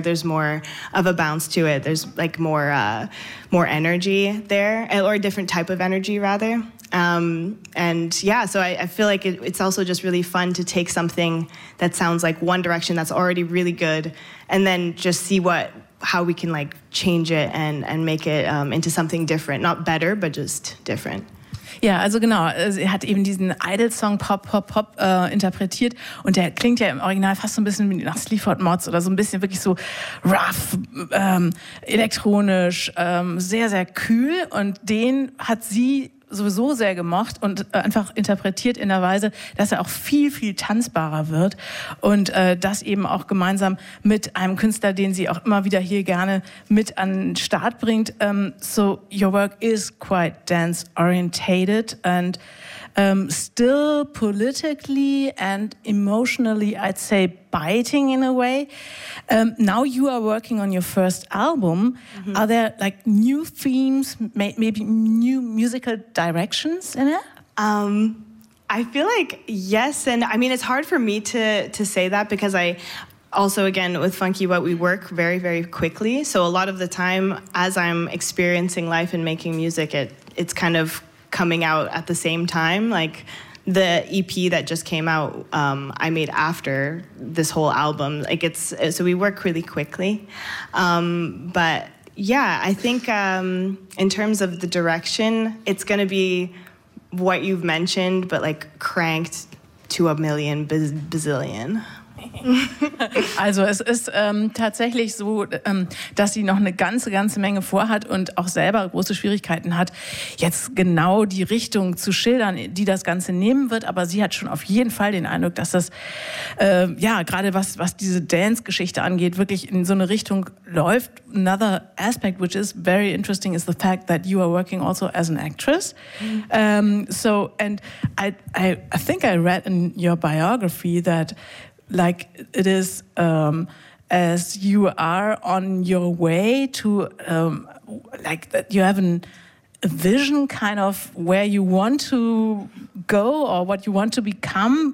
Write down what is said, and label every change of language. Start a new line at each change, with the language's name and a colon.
English: There's more of a bounce to it. There's like more energy there, or a different type of energy rather. So I feel like it's also just really fun to take something that sounds like One Direction that's already really good and then just see how we can like change it and make it into something different, not better, but just different.
German: Ja, also genau, er hat eben diesen Idol-Song Pop, Pop, Pop interpretiert und der klingt ja im Original fast so ein bisschen nach Sleaford Mods oder so ein bisschen wirklich so rough, elektronisch, sehr, sehr kühl und den hat sie sowieso sehr gemocht und einfach interpretiert in der Weise, dass er auch viel, viel tanzbarer wird und das eben auch gemeinsam mit einem Künstler, den sie auch immer wieder hier gerne mit an den Start bringt.
English: So your work is quite dance orientated and still politically and emotionally, I'd say, biting in a way. Now you are working on your first album. Mm-hmm. Are there like new themes, maybe new musical directions in it? I feel like yes. And I mean, it's hard for me to say that because I also, again, with Funky What, we work very, very quickly. So a lot of the time as I'm experiencing life and making music, it's kind of coming out at the same time. Like the EP that just came out, I made after this whole album. Like it's, so we work really quickly. But yeah, I think in terms of the direction, it's gonna be what you've mentioned, but like cranked to a million bazillion.
German: Also es ist tatsächlich so, dass sie noch eine ganze, ganze Menge vorhat und auch selber große Schwierigkeiten hat, jetzt genau die Richtung zu schildern, die das Ganze nehmen wird. Aber sie hat schon auf jeden Fall den Eindruck, dass das, ja, gerade was diese Dance-Geschichte angeht, wirklich in so eine Richtung läuft.
English: Another aspect which is very interesting is the fact that you are working also as an actress. Mm-hmm. So I think I read in your biography that like it is as you are on your way to like that you have a vision kind of where you want to go or what you want to become.